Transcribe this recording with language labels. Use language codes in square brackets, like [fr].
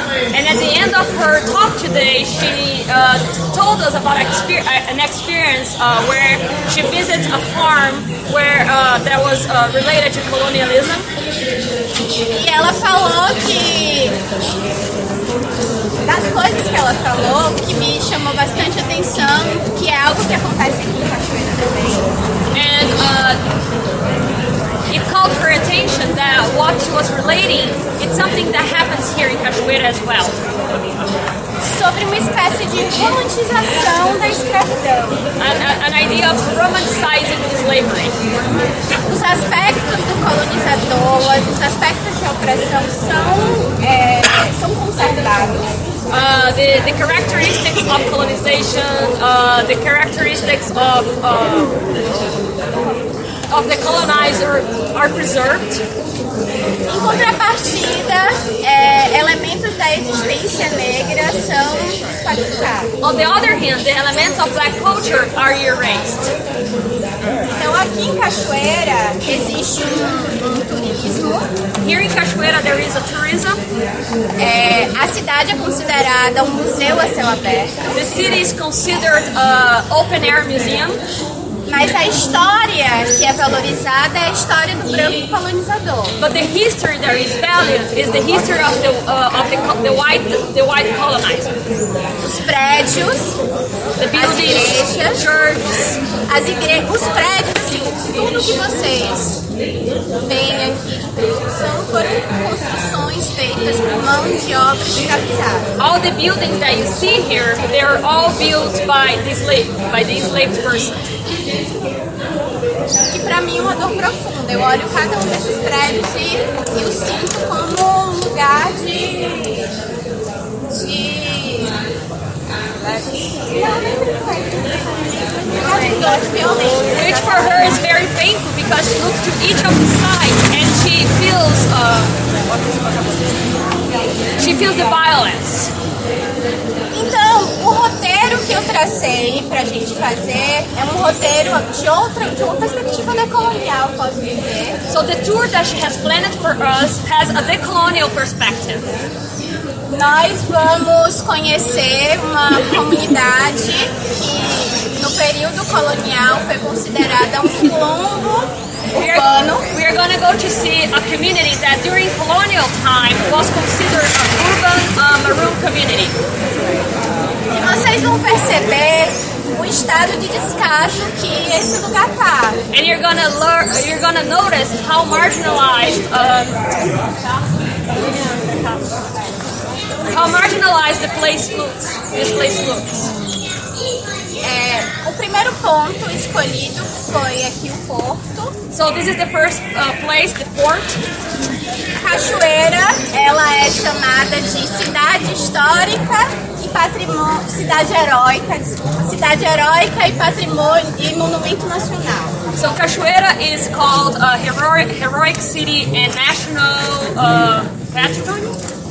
[en] and at the end of her talk today, she told us about an experience where she visits a farm where that was related to colonialism. [pt] E ela falou que das coisas que ela falou, que me chamou bastante atenção, que é algo que acontece aqui em Cachoeira também. [en] And it called her attention that what she was relating, it's something that happens here in Cachoeira as well. [pt] Sobre uma espécie de romantização da escravidão. [en] An idea of romanticizing slavery. [pt] Os aspectos do colonizador, os aspectos de opressão são conservados. [en] The characteristics of colonization, the characteristics of the colonizer are preserved. [pt] Em contrapartida, elementos da existência negra são espalhados. [en] On the other hand, the elements of black culture are erased. [pt] Então, aqui em Cachoeira, existe turismo. [en] Here in Cachoeira, there is a tourism. [pt] A cidade é considerada museu a céu aberto. [en] The city is considered a open-air museum. [pt] Mas a história que é valorizada é a história do branco colonizador. [en] But the history that is valued is the history of the white colonizer. [pt] Os prédios, [en] the buildings, [pt] as igrejas, [en] churches, [pt] as igrejas, os prédios, tudo que vocês veem aqui de produção foram construções feitas por mão de obra escravizada. [en] All the buildings that you see here, they are all built by the enslaved person. [pt] Que para mim é uma dor profunda. Eu olho cada um desses prédios e eu sinto como um lugar de violência. [en] Which for her is very painful because she looks to each of the sides and she feels the violence. [pt] Então, o roteiro que eu tracei pra gente fazer é um roteiro de uma perspectiva decolonial, posso dizer. [en] So the tour that she has planned for us has a decolonial perspective. [pt] Nós vamos conhecer uma comunidade que no período colonial foi considerada um quilombo. [en] We are going to go to see a community that during colonial time was considered an urban maroon community. [pt] E vocês vão perceber o estado de descaso que esse lugar está. [en] And you're going to notice how marginalized the place looks. [pt] O primeiro ponto escolhido foi aqui o porto. [en] So this is the first place, the port. [pt] Cachoeira, ela é chamada de cidade histórica e patrimônio, cidade heróica e patrimônio e monumento nacional. [en] So Cachoeira is called a heroic city and national patrimônio.